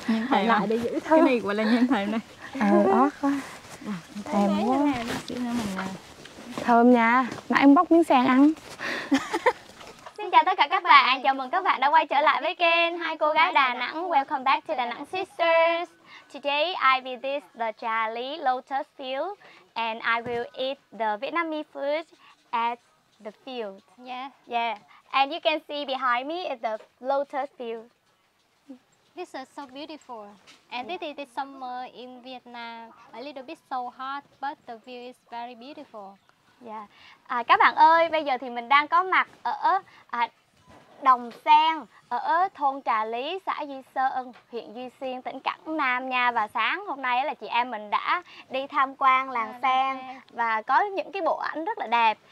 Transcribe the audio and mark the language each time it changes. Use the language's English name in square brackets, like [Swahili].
[Vietnamese] Đậy lại để giữ thơm. Cái này gọi là nhân thèm này. Ừ, ớt quá. Thèm quá. Xíu nữa mình Thơm nha, mà em bóc miếng sen ăn. Xin chào tất cả các bạn, chào mừng các bạn đã quay trở lại với kênh Hai Cô Gái Đà Nẵng. [English] Welcome back to Đà Nẵng Sisters. Today I visit the Trà Lý Lotus Field and I will eat the Vietnamese food at the field. Yeah. Yeah. And you can see behind me is the lotus field. This is so beautiful. And yeah. This is the summer in Vietnam. A little bit so hot, but the view is very beautiful. [Vietnamese] Yeah. À, các bạn ơi, bây giờ thì mình đang có mặt ở Đồng Sen, ở thôn Trà Lý, xã Duy Sơn, huyện Duy Xuyên, tỉnh Quảng Nam nha. Và sáng hôm nay là chị em mình đã đi tham quan làng sen và có những cái bộ ảnh rất là đẹp.